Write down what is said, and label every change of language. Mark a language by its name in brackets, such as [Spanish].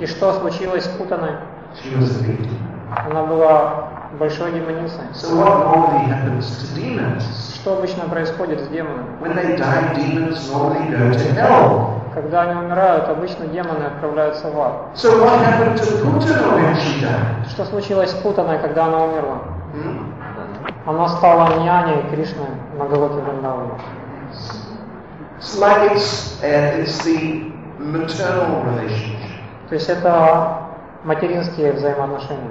[Russian] И что случилось с Путаной? [English] She was a demon. [Russian] Она была большой демоницей. [English] So what normally happens to demons? [Russian] Что обычно происходит с демонами? [English] When they die, demons normally go to hell. [Russian] Когда они умирают, обычно демоны отправляются в ад. [English] So what happened to Putana when she died? [Russian] Что случилось с Путаной, когда она умерла? Она стала няней Кришны на Голоке Вриндаване. [English] It's like it's the maternal relationship. [Russian] То есть это материнские взаимоотношения.